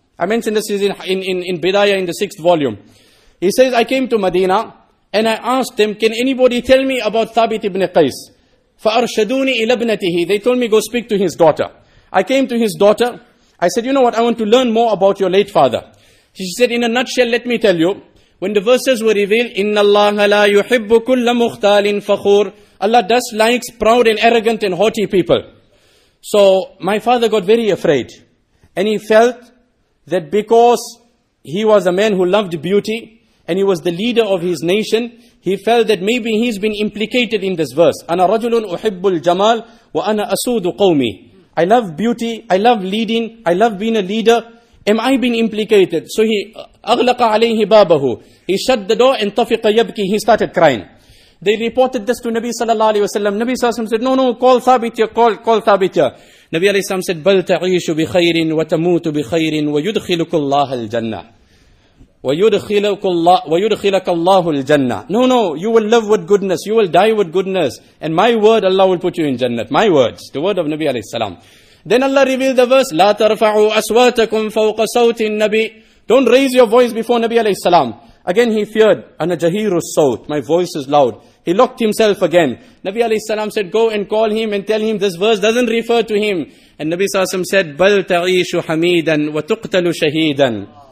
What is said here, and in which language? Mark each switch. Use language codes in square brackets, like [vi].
[en] I mentioned this in Bidayah in the sixth volume. He says, I came to Medina and I asked him, can anybody tell me about Thabit ibn Qais? [ar] فَأَرْشَدُونِ إِلَبْنَتِهِ. [en] They told me, go speak to his daughter. I came to his daughter. I said, you know what? I want to learn more about your late father. She said, in a nutshell, let me tell you. When the verses were revealed, [ar] إِنَّ اللَّهَ لَا يُحِبُّ كُلَّ مُخْتَالٍ فَخُورٍ. [en] Allah does likes proud and arrogant and haughty people. So my father got very afraid. And he felt that because he was a man who loved beauty and he was the leader of his nation, he felt that maybe he's been implicated in this verse. [ar] أَنَا رَجُلٌ أُحِبُّ الْجَمَالِ وَأَنَا أَسُودُ قَوْمِي. [en] I love beauty, I love leading, I love being a leader. Am I being implicated? So he [ar] أَغْلَقَ عَلَيْهِ بَابَهُ. [en] He shut the door and [ar] طَفِقَ يَبْكِ. [en] He started crying. They reported this to Nabi sallallahu alayhi wa sallam. Nabi sallallahu alayhi wa sallam said, no, call Thabit ya, call Thabit ya. [ar] Nabi alayhi wa sallam said, بَلْ تَعِيشُ بِخَيْرٍ وَتَمُوتُ بِخَيْرٍ وَيُدْخِلُكُ اللَّهَ الْجَنَّةِ. وَيُدْخِلَكَ اللَّهُ الْجَنَّةِ. [en] No, you will live with goodness, you will die with goodness, and my word, Allah will put you in Jannah. My words, the word of Nabi alayhi salam. Then Allah revealed the verse, [ar] لَا تَرْفَعُوا أَسْوَاتَكُمْ فَوْقَ صَوْتِ النَّبِيِّ. [en] Don't raise your voice before Nabi alayhi salam. Again he feared, [ar] أَنَا جَهِيرُ الصَّوْتِ. [en] My voice is loud. He locked himself again. Nabi alayhi salam said, go and call him and tell him this verse doesn't refer to him. And Nabi sallallahu alayhi said, [ar] بَلْ تَعِيشُ حَمِيدًا وَتُقْتَلُ شَهِيدًا.